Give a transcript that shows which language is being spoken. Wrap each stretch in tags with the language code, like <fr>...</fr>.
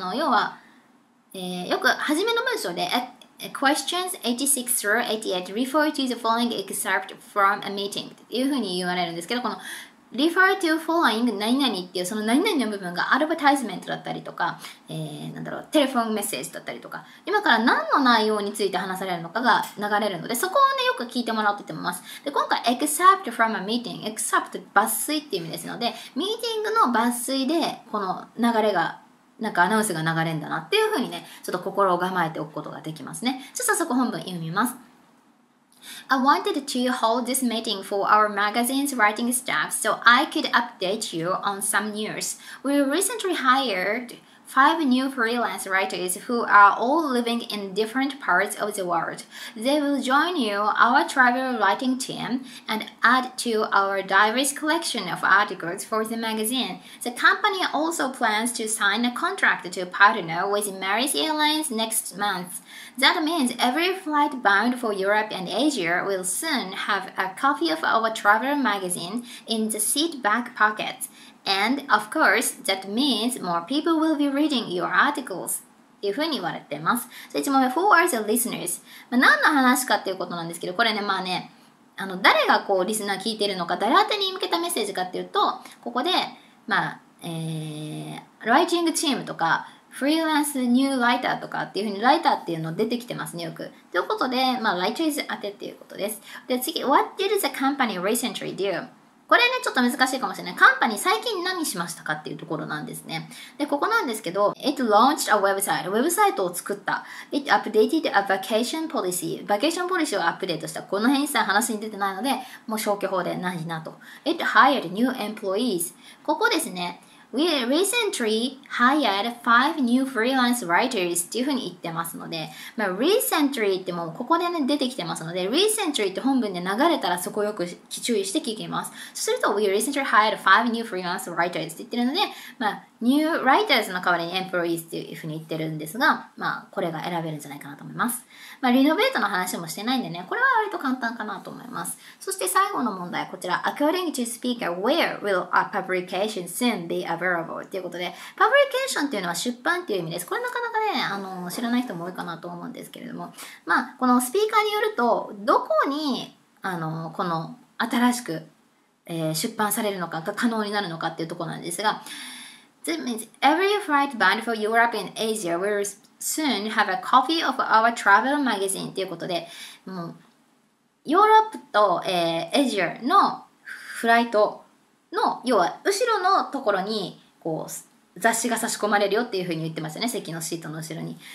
<ja>要は、よく初めの文章で</ja> <en>Questions 86 through 88 refer to the following excerpt from a meeting</en> <ja>っていうふうに言われるんですけど、この refer to following 何々っていうその何々の部分がアドバタイズメントだったりとか、なんだろう、テレフォンメッセージだったりとか、今から何の内容について話されるのかが流れるので、そこをねよく聞いてもらうと言ってます。で、今回 excerpt from a meeting、 excerpt 抜粋っていう意味ですので、ミーティングの抜粋でこの流れがなんかアナウンスが流れんだなっていうふうにね、ちょっと心を構えておくことができますね。ちょっと早速本文読みます。</ja> <en>I wanted to hold this meeting for our magazine's writing staff so I could update you on some news. We recently hired 5 new freelance writers who are all living in different parts of the world. They will join you, our travel writing team, and add to our diverse collection of articles for the magazine. The company also plans to sign a contract to partner with Maris Airlines next month. That means every flight bound for Europe and Asia will soon have a copy of our travel magazine in the seat back pocket. And of course, that means more people will be reading your articles.</en> <ja>っていうふうに言われてます。</ja> <en>そして1問目、Who are the listeners?</en> <ja>まあ何の話かっていうことなんですけど、これね、まあね、誰がこうリスナー聞いてるのか、誰宛に向けたメッセージかっていうと、ここで、まあ、ライティングチームとか、フリーランスニューライターとかっていうふうにライターっていうの出てきてますね、よく。ということで、まあ、ライターズ当てっていうことです。</ja> <en>で、次、What did the company recently do?</en> <ja>これね、ちょっと難しいかもしれない。カンパニー最近何しましたかっていうところなんですね。</ja> <en>で、ここなんですけど、It launched a website.</en> <ja>ウェブサイトを作った。</ja> <en>It updated a vacation policy.</en> <ja>バケーションポリシーをアップデートした。この辺一切話に出てないので、もう消去法でないなと。</ja> <en>It hired new employees.</en> <ja>ここですね。</ja> <en>We recently hired 5 new freelance writers</en> <ja>っていうふうに言ってますので、まあ、recently ってもうここで、ね、出てきてますので、recently って本文で流れたらそこをよく注意して聞きます。そうすると、</ja> <en>We recently hired 5 new freelance writers</en> <ja>って言ってるので、まあ、new writers の代わりに employees っていうふうに言ってるんですが、まあ、これが選べるんじゃないかなと思います。まあ、リノベートの話もしてないんでね、これは割と簡単かなと思います。そして最後の問題はこちら。</ja> <en>According to speaker, where will a publication soon be available?</en> <ja>ということで、publication っていうのは出版っていう意味です。これなかなかね、知らない人も多いかなと思うんですけれども。まあ、このスピーカーによると、どこに、この新しく、出版されるのかが可能になるのかっていうところなんですが、</ja> <en>That means every flight bound for Europe and Asia will soon have a copy of our travel magazine</en> <ja>ということで、もうヨーロッパと、アジアのフライトの要は後ろのところにこう雑誌が差し込まれるよっていうふうに言ってますよね、席のシートの後ろに。</ja>